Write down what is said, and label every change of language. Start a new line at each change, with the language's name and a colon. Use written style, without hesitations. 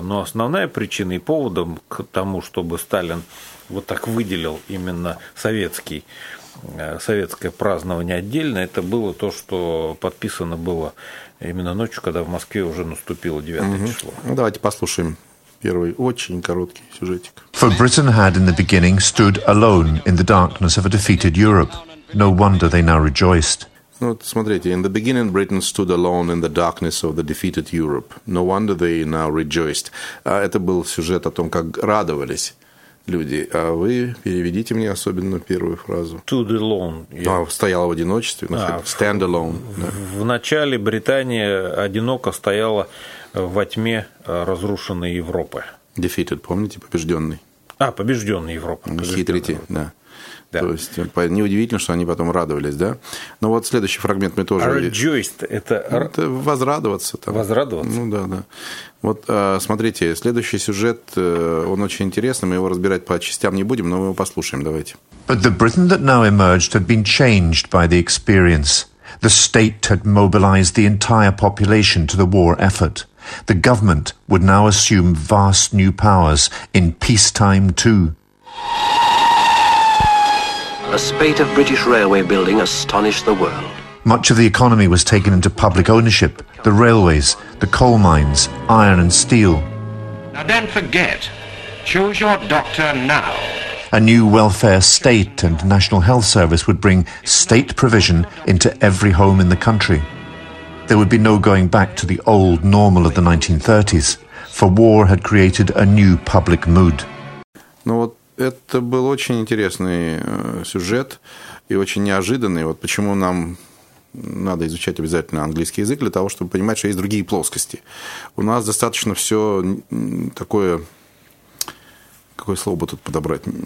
Russian: Но основная причина и поводом к тому, чтобы Сталин вот так выделил именно советское празднование отдельно, это было то, что подписано было именно ночью, когда в Москве уже наступило 9 число. Ну, давайте послушаем первый очень короткий сюжетик.
English: For Britain had in the beginning stood alone in the darkness of a defeated Europe. No wonder they now rejoiced.
Russian: Ну, вот смотрите,
English: in the beginning Britain stood alone in the darkness of the defeated Europe. No wonder they now rejoiced.
Russian: А это был сюжет о том, как радовались люди, а вы переведите мне особенно первую фразу.
English: Stood alone.
Russian: Я... Стоял в одиночестве.
English: Stand alone.
Russian: В начале Британия одиноко стояла во тьме разрушенной Европы. Defeated, помните, побежденный. А, побежденный Европа. Хитрите, да. Да. То есть неудивительно, что они потом радовались, да? Ну вот следующий фрагмент мы тоже... Rejoiced, это... Ну, это возрадоваться. Там. Возрадоваться. Ну да, да. Вот смотрите, следующий сюжет, он очень интересный, мы его разбирать по частям не будем, но мы его послушаем, давайте.
English: But the Britain that now emerged had been changed by the experience. The state had mobilized the entire population to the war effort. The government would now assume vast new powers in peacetime too. A spate of British railway building astonished the world. Much of the economy was taken into public ownership. The railways, the coal mines, iron and steel. Now don't forget, choose your doctor now. A new welfare state and national health service would bring state provision into every home in the country. There would be no going back to the old normal of the 1930s, for war had created a new public mood. No, what?
Russian: Это был очень интересный сюжет и очень неожиданный. Вот почему нам надо изучать обязательно английский язык, для того, чтобы понимать, что есть другие плоскости. У нас достаточно все такое... Какое слово бы тут подобрать?